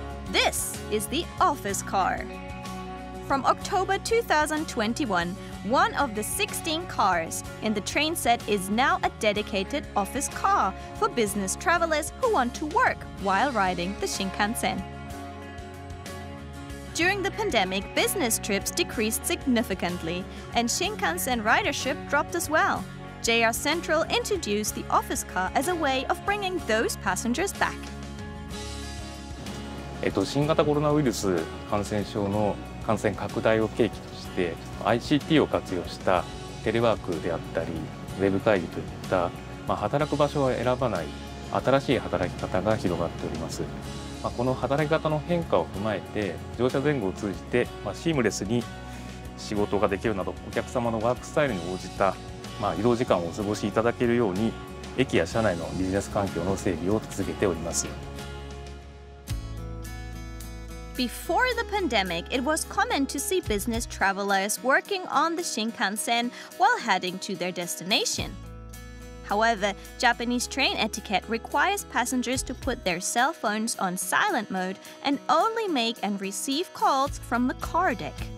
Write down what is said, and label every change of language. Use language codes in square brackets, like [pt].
[en] This is the office car. From October 2021, one of the 16 cars in the train set is now a dedicated office car for business travelers who want to work while riding the Shinkansen. During the pandemic, business trips decreased significantly, and Shinkansen ridership dropped as well. JR Central introduced the office car as a way of bringing those passengers back. [ja] 新型コロナウイルス感染症の感染拡大を契機として、ICT を活用したテレワークであったり、ウェブ会議といった、働く場所を選ばない新しい働き方が広がっております。この働き方の変化を踏まえて、乗車前後を通じて、シームレスに仕事ができるなど、お客様のワークスタイルに応じた、移動時間をお過ごしいただけるように、駅や車内のビジネス環境の整備を続けております。 [en] Before the pandemic, it was common to see business travelers working on the Shinkansen while heading to their destination. However, Japanese train etiquette requires passengers to put their cell phones on silent mode and only make and receive calls from the car deck.